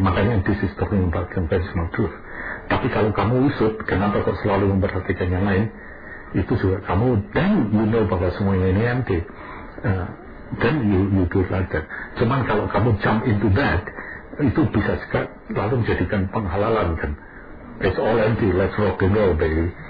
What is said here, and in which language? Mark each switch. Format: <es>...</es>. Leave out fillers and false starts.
<en>Makanya this is talking about conventional truth.</en> <id>Tapi kalau kamu usut, kenapa kok selalu memperhatikan yang lain? Itu juga kamu,</id> <en>then you know</en> <id>bahwa semuanya ini</id> <en>empty. Then you do like that.</en> <id>Cuman kalau kamu</id> <en>jump into that,</en> <id>itu bisa sekali lalu menjadikan penghalalan kan.</id> <en>It's all empty, let's rock and roll baby.</en>